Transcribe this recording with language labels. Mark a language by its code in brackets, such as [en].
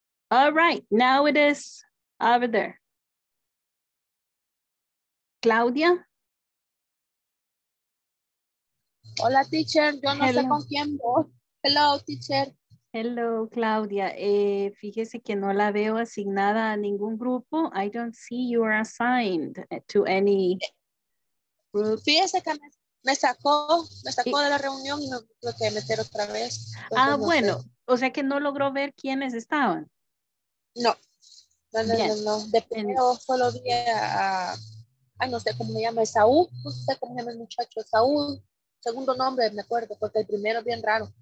[en] All right, now it is over there. Claudia? [es] Hola, teacher. Yo no sé con quién voy. [en] Hello, teacher. Hello, Claudia. [es] Fíjese que no la veo asignada a ningún grupo. [en] I don't see you are assigned to any group. [es] Fíjese que me sacó de la reunión y me tuve que meter otra vez. Entonces, ah, no bueno. Sé. O sea que no logró ver quiénes estaban. No. De primero solo vi no sé cómo me llama, Saúl. No sé cómo me llama el muchacho, Saúl. Segundo nombre, me acuerdo, porque el primero es bien raro.